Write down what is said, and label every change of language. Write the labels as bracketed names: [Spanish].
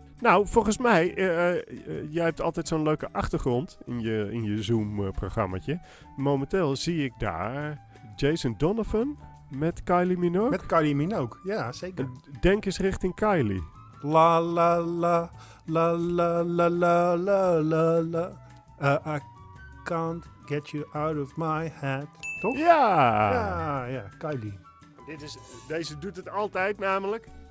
[Dutch] Nou, volgens mij, jij hebt altijd zo'n leuke achtergrond in je Zoom-programmaatje. Momenteel zie ik daar Jason Donovan met Kylie Minogue. Met Kylie Minogue, ja, zeker. Denk eens richting Kylie. La la la, la la la la la la la. [English] I can't get you out of my head. [Dutch] Toch? Ja! Ja, Kylie. Deze doet het altijd namelijk.